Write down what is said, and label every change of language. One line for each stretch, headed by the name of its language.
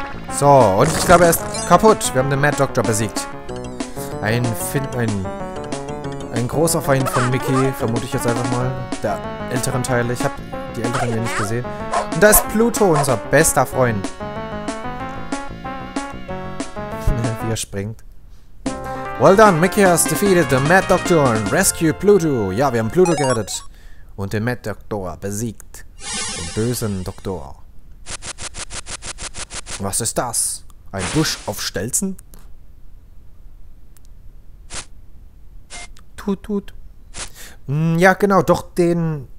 German: So, und ich glaube, er ist kaputt. Wir haben den Mad Doctor besiegt. Ein großer Feind von Mickey, vermute ich jetzt einfach mal. Der älteren Teile. Ich habe die älteren hier nicht gesehen. Und da ist Pluto, unser bester Freund. Wie er springt.
English: Well done, Mickey has defeated the Mad Doctor and rescued Pluto.
German: Ja, wir haben Pluto gerettet. und den Mad Doktor besiegt. Den bösen Doktor. Was ist das? Ein Busch auf Stelzen? Tut, tut. Ja, genau, doch den.